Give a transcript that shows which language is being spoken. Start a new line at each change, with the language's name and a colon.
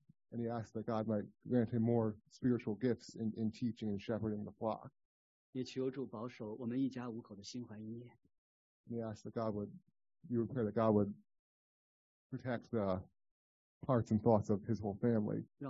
English: And he asked that God might grant him more spiritual gifts in teaching and shepherding the flock.
Chinese: 也求主保守我们一家五口的心怀意念。
English: And he asked that God would you would pray that God would protect the hearts and thoughts of his whole family.